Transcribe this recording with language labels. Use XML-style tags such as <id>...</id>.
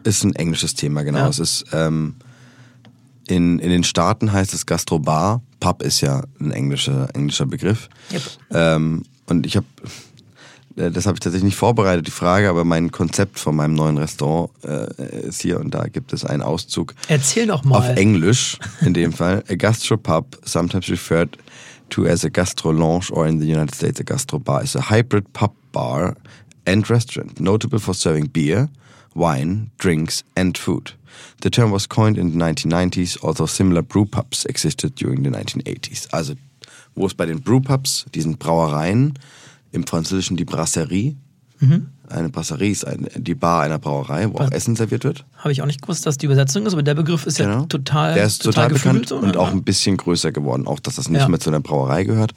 <de>Ist ein englisches Thema, genau. Ja. Es ist in den Staaten heißt es Gastrobar. Pub ist ja ein englischer Begriff. Yep. Und ich habe, das habe ich tatsächlich nicht vorbereitet, die Frage, aber mein Konzept von meinem neuen Restaurant ist hier und da gibt es einen Auszug. Erzähl doch mal. Auf Englisch in dem Fall.</de> <en>A Gastropub, sometimes referred to as a Gastrolounge or in the United States a Gastrobar, is a hybrid pub bar and restaurant, notable for serving beer, wine, drinks and food. The term was coined in the 1990s, although similar brew pubs existed during the 1980s.</en> <de>Also, wo es bei den brew pubs, diesen Brauereien, im Französischen die Brasserie. Mhm. Eine Brasserie ist die Bar einer Brauerei, wo auch Essen serviert wird. Habe ich auch nicht gewusst, dass die Übersetzung ist, aber der Begriff ist ja total, der ist total bekannt gefühlt, und auch ein bisschen größer geworden. Auch, dass das nicht mehr zu einer Brauerei gehört.</de>